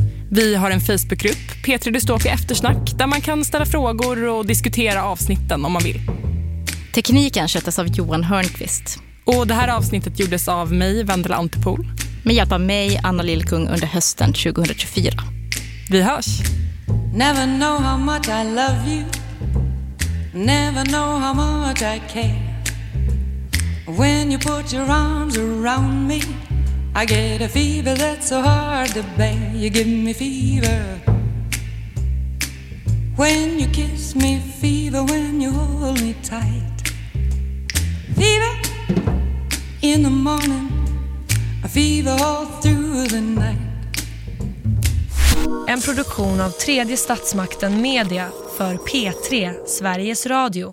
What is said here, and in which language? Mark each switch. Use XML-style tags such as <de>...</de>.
<sv>Vi har en Facebookgrupp, P3 Dystopia Eftersnack, där man kan ställa frågor och diskutera avsnitten om man vill. Tekniken sköttes av Johan Hörnqvist. Och det här avsnittet gjordes av mig, Vendela Antipol. Med hjälp av mig, Anna Lillkung, under hösten 2024. Vi hörs!</sv> <en>Never know how much I love you. Never know how much I care. When you put your arms around me, I get a fever that's so hard to bear. You give me fever. When you kiss me, fever. When you hold me tight, fever. In the morning, a fever all through the night.</en> <sv>En produktion av Tredje Statsmakten Media för P3 Sveriges Radio.</sv>